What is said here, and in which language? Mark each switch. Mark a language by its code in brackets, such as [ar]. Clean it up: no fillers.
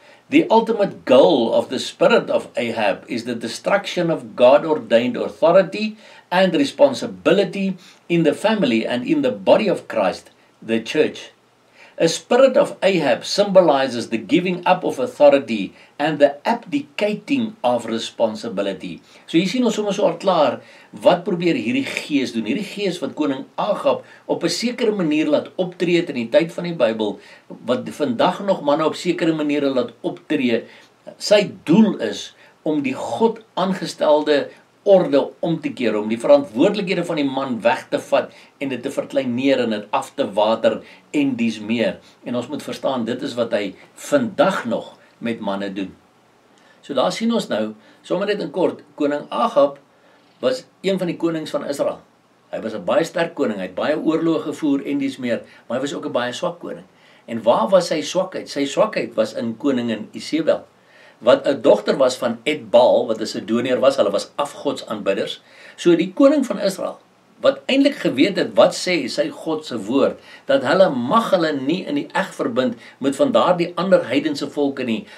[en] The ultimate goal of the spirit of Ahab is the destruction of God-ordained authority and responsibility in the family and in the body of Christ, the church. A spirit of Ahab symbolizes the giving up of authority and the abdicating of responsibility. [af] So hier sien ons sommer so al klaar, wat probeer hierdie gees doen? Hierdie gees wat koning Agab op 'n sekere manier laat optree in die tyd van die Bybel, wat vandag nog manne op sekere maniere laat optree, sy doel is om die God aangestelde orde om te keer, om die verantwoordelikhede van die man weg te vat en dit te verkleineer en dit af te water en dies meer. En ons moet verstaan, dit is wat hy vandag nog met manne doen. So daar sien ons nou, sommer net in kort, koning Agab was een van die konings van Israel. Hy was 'n baie sterk koning, hy het baie oorlog gevoer en dies meer, maar hy was ook 'n baie swak koning. En waar was sy swakheid? Sy swakheid was in koningin Isebel, wat 'n dogter was van Etbaal, wat 'n Sidoniër was, hulle was afgodsaanbidders. So die koning van Israel, wat eintlik geweet het wat sê sy God se woord, dat hulle mag hulle nie in die eg verbind met van daardie ander heidense volke nie.